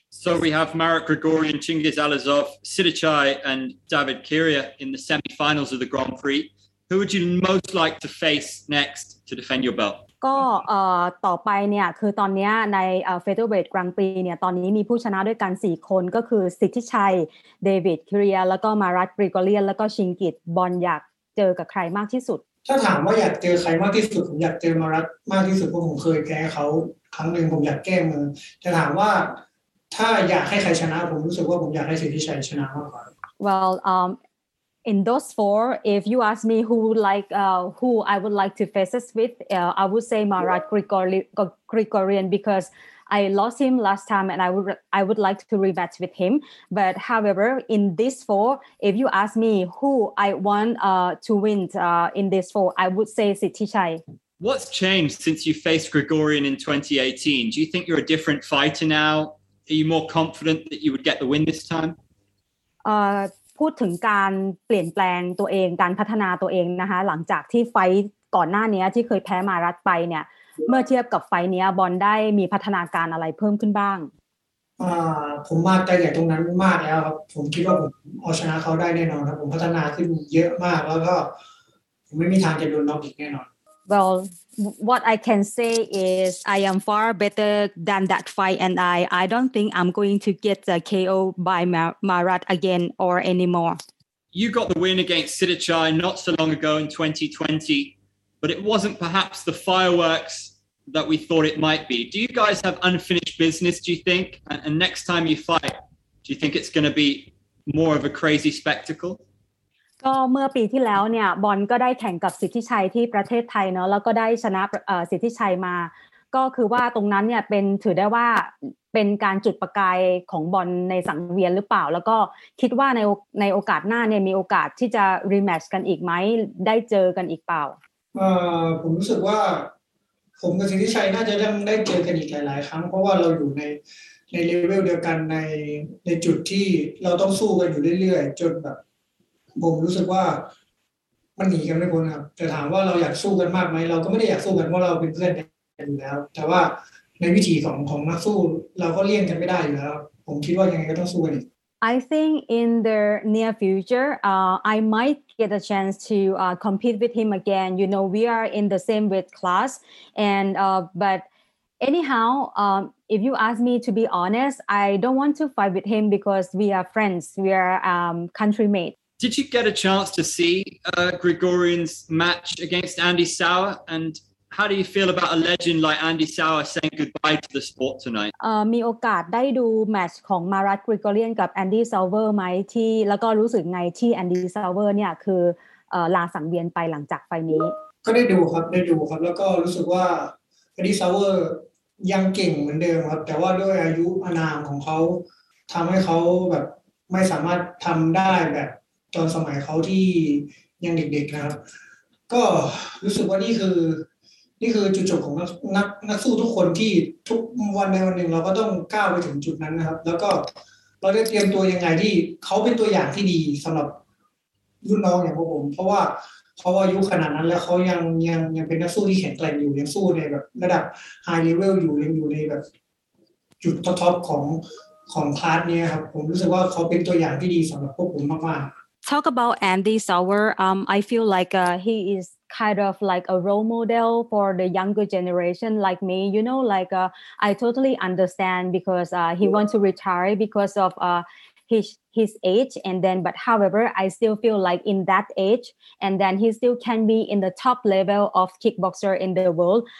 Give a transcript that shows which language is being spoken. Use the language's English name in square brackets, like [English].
[English] So we have Marat Grigorian, Chingiz Alazov, Sidichai and David Kiria in the semi-finals of the Grand Prix. Who would you most like to face next to defend your belt? [Thai] ก็ต่อไปเนี่ยคือตอนนี้ในเฟเธอร์เวทกลางปีเนี่ยตอนนี้มีผู้ชนะด้วยกัน4คนก็คือสิทธิชัยเดวิดคิเรียแล้วก็มารัตกริโกเรียนแล้วก็ชิงกิตบอลอยากเจอกับใครมากที่สุด ถ้าถามว่าอยากเจอใครมากที่สุดผมอยากเจอมารัตมากที่สุดเพราะผมเคยแพ้เขาครั้งนึงผมอยากแก้มือแต่ถามว่าถ้าอยากให้ใครชนะผมรู้สึกว่าผมอยากให้สิทธิชัยชนะมากกว่า [English] Well In those four, if you ask me who I would like to face us with, I would say Marat Grigorian because I lost him last time and I would like to rematch with him. But however, in these four, if you ask me who I want to win in these four, I would say Sitichai. What's changed since you faced Grigorian in 2018? Do you think you're a different fighter now? Are you more confident that you would get the win this time? [Thai] พูดถึงการเปลี่ยนแปลงตัวเองการพัฒนาตัวเองนะคะหลังจากที่ไฟต์ก่อนหน้านี้ที่เคยแพ้มารัตไปเนี่ย เมื่อเทียบกับไฟเนี้ยบอลได้มีพัฒนาการอะไรเพิ่มขึ้นบ้าง ผมมาใกล้ใหญ่ตรงนั้นมากแล้วครับผมคิดว่าผมเอาชนะเขาได้แน่นอนครับผมพัฒนาขึ้นเยอะมากแล้วก็ผมไม่มีทางจะโดนน็อกอีกแน่นอน [English] Well what I can say is I am far better than that fight and I don't think I'm going to get the KO by Marat again or anymore You got the win against Sidichai not so long ago in 2020but it wasn't perhaps the fireworks that we thought it might be. Do you guys have unfinished business, do you think? And next time you fight, do you think it's going to be more of a crazy spectacle? [Thai] ก็เมื่อปีที่แล้วเนี่ยบอลก็ได้แข่งกับสิทธิชัยที่ประเทศไทยเนาะแล้วก็ได้ชนะสิทธิชัยมาก็คือว่าตรงนั้นเนี่ยเป็นถือได้ว่าเป็นการจุดประกายของบอลในสังเวียนหรือเปล่าแล้วก็คิดว่าในโอกาสหน้าเนี่ยมีโอกาสที่จะรีแมตช์กันอีกมั้ยได้เจอกันอีกเปล่า ผมรู้สึกว่าผมกับสิทธิชัยน่าจะยังได้เจอกันอีกหลายครั้งเพราะว่าเราอยู่ในเลเวลเดียวกันในจุดที่เราต้องสู้กันอยู่เรื่อยๆจนแบบผมรู้สึกว่ามันหนีกันไม่พ้นครับจะถามว่าเราอยากสู้กันมากไหมเราก็ไม่ได้อยากสู้กันเพราะเราเป็นเพื่อนกันอยู่แล้วแต่ว่าในวิธีของนักสู้เราก็เลี่ยงกันไม่ได้อยู่แล้วผมคิดว่ายังไงก็ต้องสู้กันอีก [English] I think in the near future I might get a chance to compete with him again you know we are in the same weight class and but anyhow if you ask me to be honest I don't want to fight with him because we are friends we are country mates Did you get a chance to see Gregorian's match against Andy Sauer andHow do you feel about a legend like Andy Sauer saying goodbye to the sport tonight? [Thai] มีโอกาสได้ดูแมตช์ของมารัต กริโกเรียนกับ Andy Sauer ไหมที่แล้วก็รู้สึกไงที่ Andy Sauer เนี่ยคือลาสังเวียนไปหลังจากไฟนี้ก็ได้ดูครับได้ดูครับแล้วก็รู้สึกว่า Andy Sauer ยังเก่งเหมือนเดิมครับแต่ว่าด้วยอายุอานามของเขาทำให้เขาแบบไม่สามารถทำได้แบบตอนสมัยเขาที่ยังเด็กๆนะครับก็รู้สึกว่านี่ คือจุดจบของนักสู้ทุกคนที่ทุกวันในวันหนึ่งเราก็ต้องก้าวไปถึงจุดนั้นนะครับแล้วก็เราได้เตรียมตัวยังไงที่เขาเป็นตัวอย่างที่ดีสำหรับรุ่นน้องอย่างพวกผมเพราะว่าเขาอายุขนาดนั้นแล้วเขายังเป็นนักสู้ที่แข็งแกร่งอยู่ยังสู้ในแบบระดับไฮเลเวลอยู่ในแบบจุดท็อปของคลาสเนี่ยครับผมรู้สึกว่าเขาเป็นตัวอย่างที่ดีสำหรับพวกผมมากมาก [English] Talk about Andy Sauer I feel like he isKind of like a role model for the younger generation like me, you know. Like I totally understand because he yeah. wants to retire because of his age. And then, but however, I still feel like in that age, and then he still can be in the top level of kickboxer in the world.